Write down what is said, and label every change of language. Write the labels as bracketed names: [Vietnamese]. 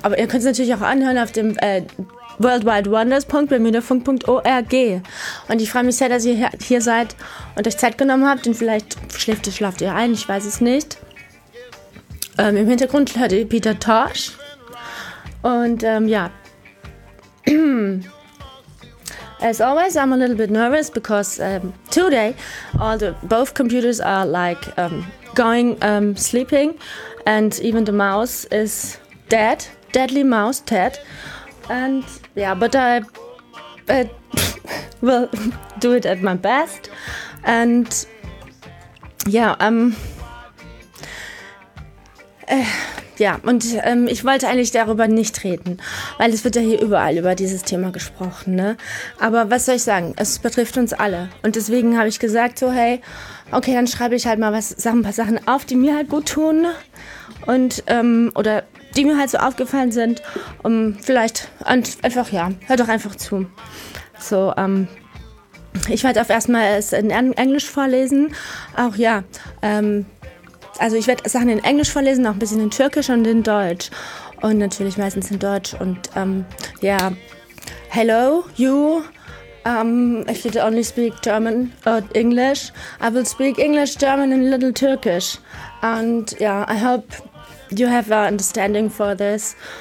[German] Aber ihr könnt es natürlich auch anhören auf dem worldwidewonders.bermudafunk.org. Und ich freue mich sehr, dass ihr hier seid und euch Zeit genommen habt. Und vielleicht schlaft ihr ein, ich weiß es nicht. Im Hintergrund hört ihr Peter Tosh. Und ja. [English] As always, I'm a little bit nervous because today all the both computers are like going sleeping. And even the mouse is dead. Deadly mouse, dead. And yeah, but I will do it at my best. And yeah, [German] ich wollte eigentlich darüber nicht reden, weil es wird ja hier überall über dieses Thema gesprochen, ne? Aber was soll ich sagen? Es betrifft uns alle. Und deswegen habe ich gesagt so, hey, okay, dann schreibe ich halt mal ein paar Sachen auf, die mir halt gut tun. Und oder die mir halt so aufgefallen sind, vielleicht, und einfach, ja, hört doch einfach zu. So, ich werde auch erstmal es in Englisch vorlesen, auch ja, also ich werde Sachen in Englisch vorlesen, auch ein bisschen in Türkisch und in Deutsch. Und natürlich meistens in Deutsch und, [English] ja, hello, you, if you only speak German or English, I will speak English, German and a little Turkish. And, yeah, I hope you have an understanding for this.